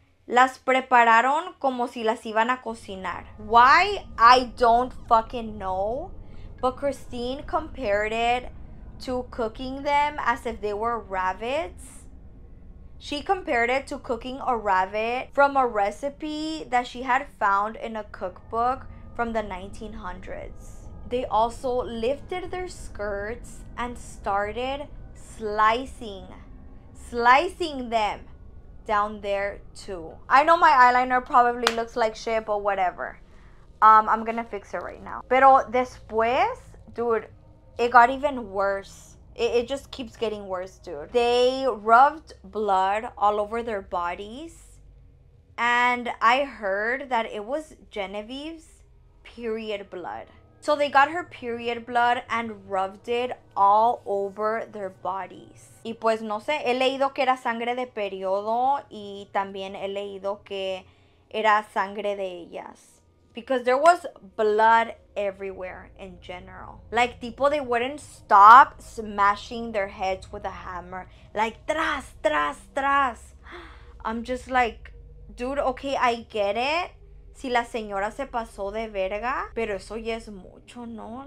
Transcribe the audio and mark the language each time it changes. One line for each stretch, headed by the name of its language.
Spanish: las prepararon como si las iban a cocinar.
English: Why? I don't fucking know. But Christine compared it to cooking them as if they were rabbits. She compared it to cooking a rabbit from a recipe that she had found in a cookbook from the 1900s. They also lifted their skirts and started slicing them down there too. I know my eyeliner probably looks like shit, but whatever. I'm gonna fix it right now.
Spanish: Pero después,
English: dude, it got even worse. It just keeps getting worse, dude. They rubbed blood all over their bodies. And I heard that it was Genevieve's period blood. So they got her period blood and rubbed it all over their bodies.
Spanish: Y pues no sé, he leído que era sangre de periodo y también he leído que era sangre de ellas.
English: Because there was blood everywhere in general. Like,
Spanish: tipo,
English: they wouldn't stop smashing their heads with a hammer. Like, tras, tras, tras. I'm just like, dude, okay, I get it.
Spanish: Si la señora se pasó de verga. Pero eso ya es mucho, ¿no?